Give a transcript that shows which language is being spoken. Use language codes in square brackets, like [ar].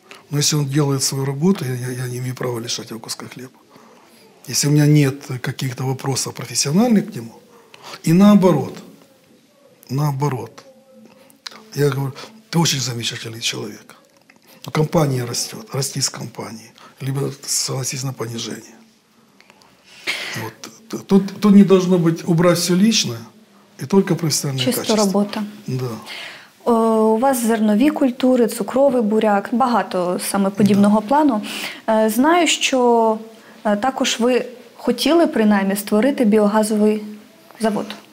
[uk] Але якщо він робить свою роботу, я не маю права лишати його куска хліба. Якщо у мене немає каких-то вопросів професіональних к нему, і наоборот. Я говорю, ти дуже замечательний чоловік. Компанія росте, рости з компанії. [ru] Либо согласись на понижение. Вот. Тут не должно быть убрать все личное и только профессиональное чисто качество. Чисто работа. Да. [uk] У вас зернові культури, цукровий буряк, багато саме подібного плану. Знаю, що також ви хотіли, принаймні, створити біогазовий завод.